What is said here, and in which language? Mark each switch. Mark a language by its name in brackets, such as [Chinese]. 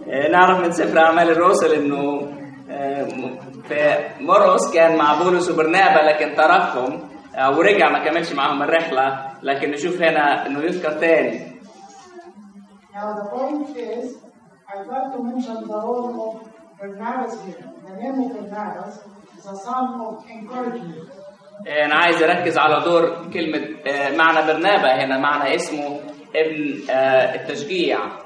[Arabic] نعرف من سفر أعمال الرسل إنه في مرقس كان مع بولس وبرنابا لكن تركهم ورجع ما كملش معهم الرحلة، لكن نشوف هنا إنه يذكر تاني. [English] Now the point is, I'd like to mention the role of Barnabas here. The name of Barnabas is a son of encouragement. [Arabic] أنا عايز أركز على دور كلمة معنى برنابا هنا، معنى اسمه ابن التشجيع.